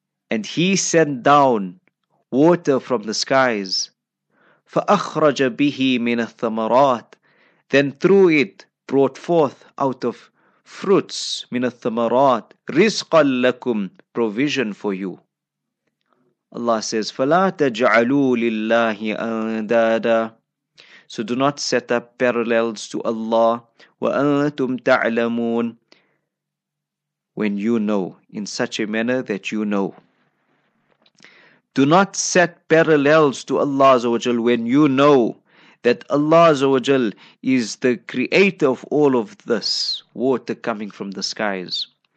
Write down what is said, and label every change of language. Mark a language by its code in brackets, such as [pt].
[en] And he sent down water from the skies. [ar] فَأَخْرَجَ بِهِ مِنَ الثَّمَرَاتِ. [en] Then through it brought forth out of fruits, [ar] مِنَ الثَّمَرَاتِ رِزْقًا لَكُمْ, [en] provision for you. Allah says, [ar] فَلَا تَجْعَلُوا لِلَّهِ أَنْدَادًا. [en] So do not set up parallels to Allah. [ar] وَأَنْتُمْ تَعْلَمُونَ, [en] when you know, in such a manner that you know. Do not set parallels to Allah Azza wa Jal when you know that Allah Azza wa Jal is the creator of all of this water coming from the skies.